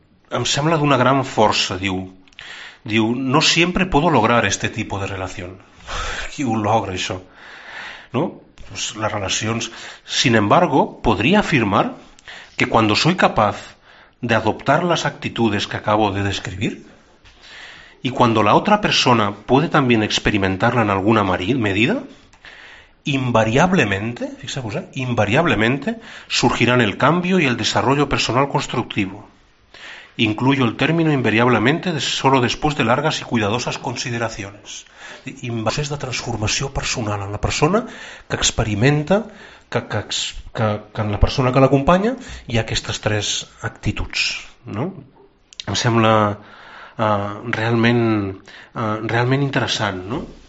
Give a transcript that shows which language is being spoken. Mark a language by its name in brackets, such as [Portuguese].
[Catalan] Em sembla d'una gran força, diu. [Spanish] Diu, no siempre puedo lograr este tipo de relación. [Catalan] Qui ho logra, això? No? [Spanish] Pues les relacions... Sin embargo, podría afirmar que cuando soy capaz de adoptar las actitudes que acabo de describir, y cuando la otra persona puede también experimentarla en alguna medida, invariablemente, fíjese, invariablemente surgirán el cambio y el desarrollo personal constructivo. Incluyo el término invariablemente solo después de largas y cuidadosas consideraciones. [Catalan] Un procés de transformació personal en la persona que experimenta que en la persona que l'acompanya hi ha aquestes tres actituds, no? Em sembla realment interessant, no?